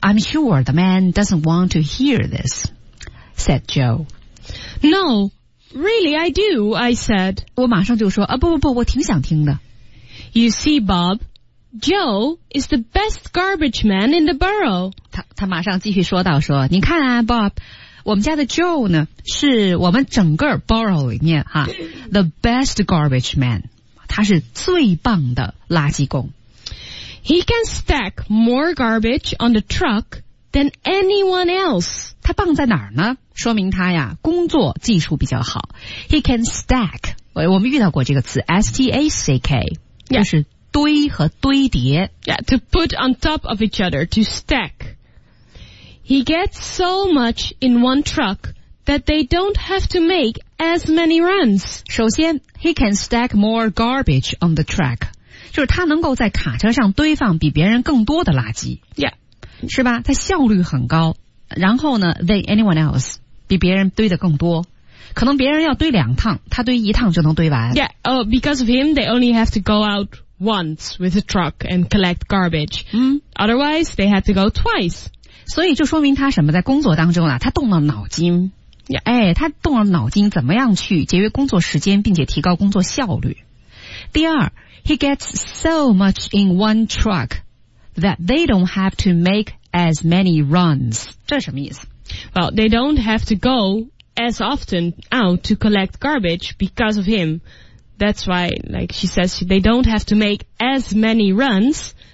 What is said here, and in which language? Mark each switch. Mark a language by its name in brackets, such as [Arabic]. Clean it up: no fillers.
[English] I'm sure the man doesn't want to hear this," said Joe. "No. Really, I do," I said. [Chinese] 我马上就说啊，不不不，我挺想听的。 [English] You see, Bob, Joe is the best garbage man in the borough. [Chinese] 他马上继续说道说，你看啊 ，Bob， 我们家的 Joe 呢，是我们整个 borough 里面哈 [English] the best garbage man， [Chinese] 他是最棒的垃圾工。 [English] He can stack more garbage on the truck than anyone else. [Chinese] 他棒在哪儿呢？说明他呀工作技术比较好。 [English] He can stack， [Chinese] 我们遇到过这个词 S-T-A-C-K、 [English] yeah. [Chinese] 就是堆和堆叠。 [English] Yeah, to put on top of each other, to stack. He gets so much in one truck that they don't have to make as many runs. [Chinese] 首先 [English] He can stack more garbage on the track， [Chinese] 就是他能够在卡车上堆放比别人更多的垃圾。 [English] Yeah， [Chinese] 是吧，他效率很高。然后呢 [English] than anyone else， [Chinese] 比别人堆的更多，可能别人要堆两趟，他堆一趟就能堆完。 [English] Yeah, oh, because of him, they only have to go out once with a truck and collect garbage. Otherwise, they had to go twice. [Chinese] 所以就说明他什么，在工作当中啊，他动了脑筋。 [English] Yeah. [Chinese] 哎，他动了脑筋，怎么样去节约工作时间，并且提高工作效率。第二 [English] ，he gets so much in one truck that they don't have to make. As many runs. [Chinese] 这什么意思？ [English] Well, they don't have to go as often out to collect garbage because of him. That's why, like she says, they don't have to make as many runs.